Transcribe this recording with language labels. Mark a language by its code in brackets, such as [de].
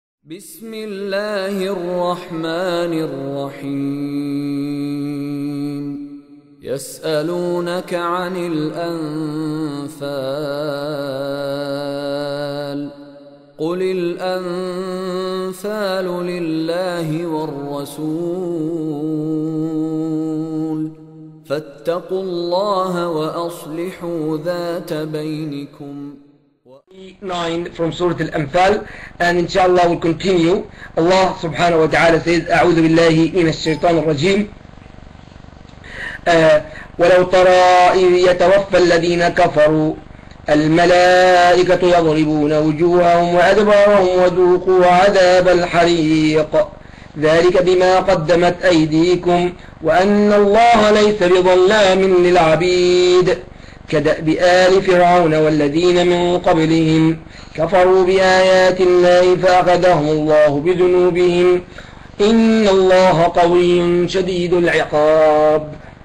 [ar] بسم الله الرحمن الرحيم يسألونك عن الأنفال قل الأنفال لله والرسول فاتقوا الله وأصلحوا ذات بينكم. [en] 9 from Surah Al-Anfal, and inshallah we'll continue. Allah subhanahu wa ta'ala says, [ar] أعوذ بالله من الشيطان الرجيم ولو ترى إذ يتوفى الذين كفروا الملائكة يضربون وجوههم وأدبارهم وذوقوا عذاب الحريق ذلك بما قدمت أيديكم وأن الله ليس بظلام للعبيد كدأب آل فرعون والذين من قبلهم كفروا بآيات الله فأخذهم الله بذنوبهم إن الله قوي شديد العقاب.